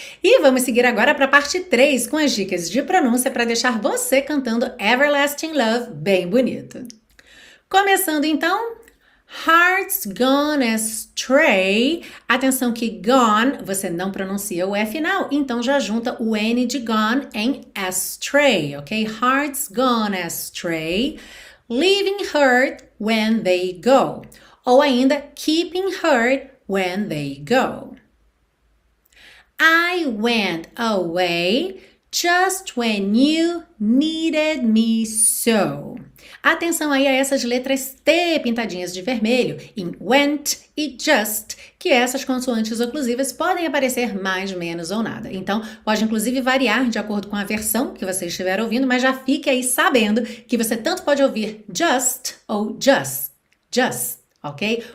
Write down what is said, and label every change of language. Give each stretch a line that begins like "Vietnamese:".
Portuguese: E vamos seguir agora para a parte 3 com as dicas de pronúncia para deixar você cantando Everlasting Love bem bonito. Começando então.
English: Heart's gone astray.
Portuguese: Atenção que gone, você não pronuncia o F final, então já junta o N de gone em astray, ok?
English: Heart's gone astray. Leaving hurt when they go.
Portuguese: Ou ainda,
English: keeping hurt when they go. I went away just when you needed me so.
Portuguese: Atenção aí a essas letras T pintadinhas de vermelho em went e just, que essas consoantes oclusivas podem aparecer mais, menos ou nada. Então, pode inclusive variar de acordo com a versão que você estiver ouvindo, mas já fique aí sabendo que você tanto pode ouvir just ou just, ok?